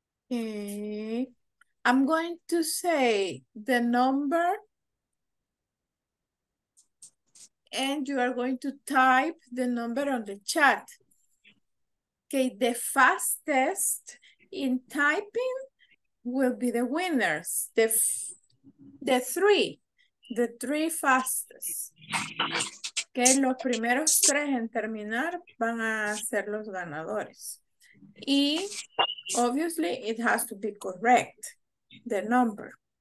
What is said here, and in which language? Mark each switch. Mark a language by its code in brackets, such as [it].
[en] Okay, I'm going to say the number and you are going to type the number on the chat. Okay, the fastest in typing will be the winners, the three fastest. [es] Okay, los primeros tres en terminar van a ser los ganadores. Y [en] obviously, it has to be correct, the number.